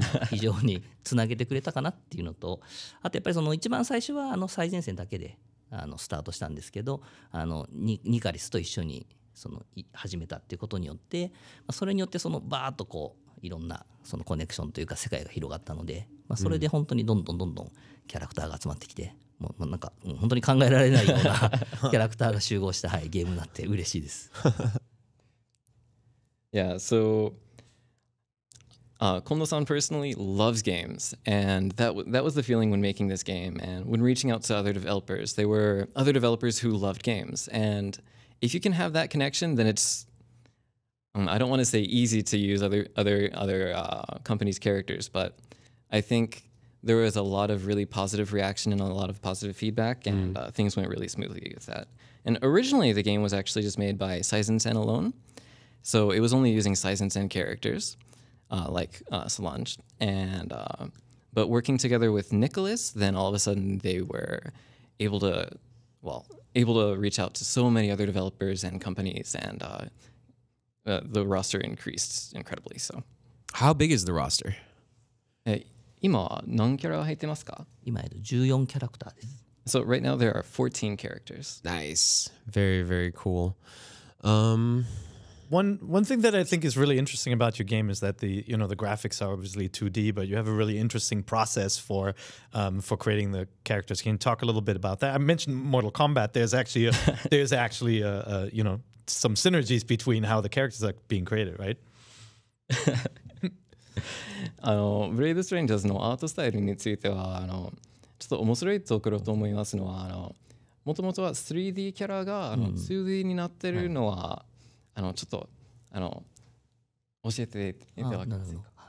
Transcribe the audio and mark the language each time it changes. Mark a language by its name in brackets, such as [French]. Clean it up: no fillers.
[Japanese] 非常につなげてくれたかなっていうのとあとやっぱりその一番最初は最前線だけでスタートしたんですけどニカリスと一緒にその始めたっていうことによってそれによってそのバーッとこういろんなそのコネクションというか世界が広がったので、まあ、それで本当にどんどんどんどんキャラクターが集まってきて、うん、もうなんか本当に考えられないようなキャラクターが集合した、はい、ゲームになって嬉しいです [English] Yeah, soKondo-san personally loves games, and that was the feeling when making this game and when reaching out to other developers. They were other developers who loved games, and if you can have that connection, then it's, I don't want to say easy to use other companies' characters, but I think there was a lot of really positive reaction and a lot of positive feedback, and things went really smoothly with that. And originally, the game was actually just made by Seizensen alone, so it was only using Seizensen characters.Like Solange, and But working together with Nicholas, then all of a sudden they were able to, well, able to reach out to so many other developers and companies, and the roster increased incredibly. So, how big is the roster? [Japanese] 今何キャラ入ってますか? 今14キャラクターです。 [English] So right now there are 14 characters. Nice. Very, very cool. One thing that I think is really interesting about your game is that the, you know, the graphics are obviously 2D, but you have a really interesting process for creating the characters. Can you talk a little bit about that? I mentioned Mortal Kombat. There's actually you know, some synergies between how the characters are being created, right? [Japanese] ブレイドストレンジャーズのアートスタイルについてはちょっと面白いところと思いますのはもともとは 3D キャラが2D になってるのは、はい、ちょっと教えていただけますか。